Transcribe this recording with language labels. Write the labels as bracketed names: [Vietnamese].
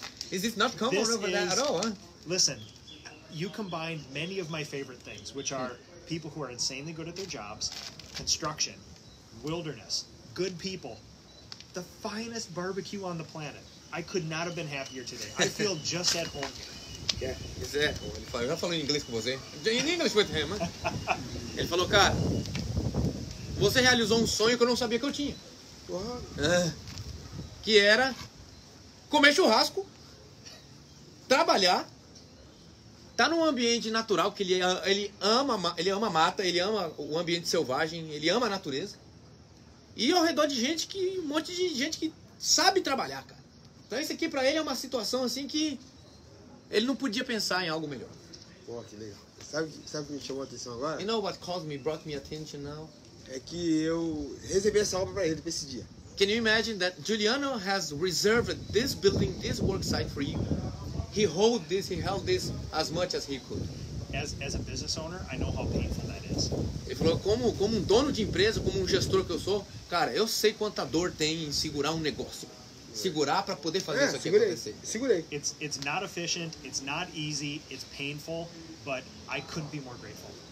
[English] Is this not common over there at all? Huh? Listen, you combined many of my favorite things, which are people who are insanely good at their jobs, construction, wilderness, good people, the finest barbecue on the planet. I could not have been happier today. I feel just at home here. Yeah, is that? [Portuguese] Ele falou, já falou em inglês com você. [English] In English with him. [Portuguese] Ele falou, cara, você realizou um sonho que eu não sabia que eu tinha. Que era comer churrasco, trabalhar, tá num ambiente natural, que ele ama a mata, ele ama o ambiente selvagem, ele ama a natureza. E ao redor de gente que... Um monte de gente que sabe trabalhar, cara. Então isso aqui pra ele é uma situação assim que... Ele não podia pensar em algo melhor. Pô, que legal. Sabe o que me chamou a atenção agora? [English] You know what caused me, brought me attention now? [Portuguese] É que eu recebi essa obra pra ele pra esse dia. [English] Can you imagine that Giuliano has reserved this building, this work site for you? He hold this, he held this as much as he could. As a business owner, I know how painful that is. [Portuguese] Ele falou, como um dono de empresa, como um gestor que eu sou, cara, eu sei quanta dor tem em segurar um negócio. Segurar para poder fazer isso aqui segurei, acontecer. Segurei. [English] It's not efficient, it's not easy, it's painful, but I couldn't be more grateful.